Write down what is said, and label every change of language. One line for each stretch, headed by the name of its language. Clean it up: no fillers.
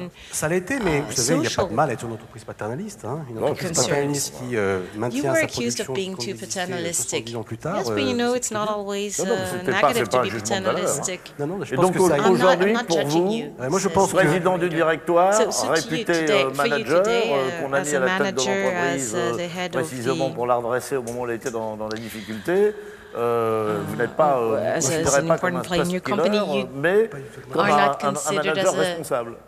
French: Ça l'a été, mais vous savez, il n'y a pas de mal à être une entreprise paternaliste. Une entreprise paternaliste qui maintient sa production. 70 ans plus tard,
English: yes, but you know, it's not always negative to be paternalistic.
French: Non, je pense que ça aujourd'hui, pour vous, président du directoire, réputé manager, qu'on a mis à la tête de l'entreprise, précisément pour la redresser au moment où elle était dans la difficulté. Vous n'êtes pas, un manager responsable.